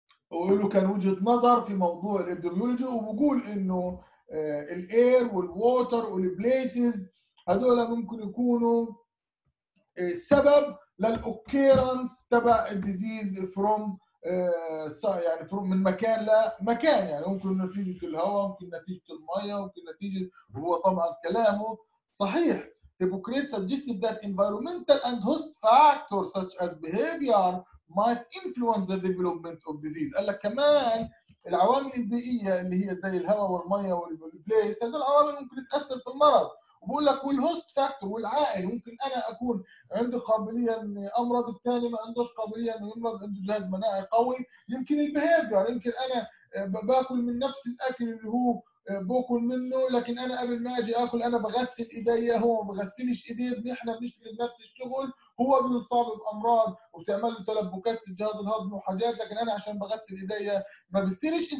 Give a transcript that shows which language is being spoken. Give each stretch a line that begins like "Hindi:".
Arabic: ويقوله كان وجهة نظر في موضوع الإبديميولوجي، وبقول إنه الأير والووتر والبليسز هدول ممكن يكونوا سبب للأوكيرنس تبع الديزيز فروم يعني فروم من مكان لمكان، يعني ممكن نتيجة الهواء، ممكن نتيجة المية، ممكن نتيجة، هو طبعا كلامه صحيح.
English: Hippocrates suggested that environmental and host factors such as behavior might influence the development of disease.
Arabic: قال لك كمان العوامل البيئية اللي هي زي الهواء والمية والبليس، هذه العوامل ممكن تأثر في المرض. وبقول لك والهوست فاكتور والعائل، ممكن أنا أكون عندي قابلية أني أمرض، الثاني ما عندهش قابلية أنه يمرض، عنده جهاز مناعي قوي. يمكن البيهافير، يمكن أنا باكل من نفس الأكل اللي هو بأكل منه، لكن أنا قبل ما أجي أكل أنا بغسل إيدي، هو ما بغسلش إيديه، نحن بنشتغل نفس الشغل، هو بيصاب بأمراض وبتعمل له تلبكات في الجهاز الهضمي وحاجات، لكن أنا عشان بغسل إيديه ما بيصيرش.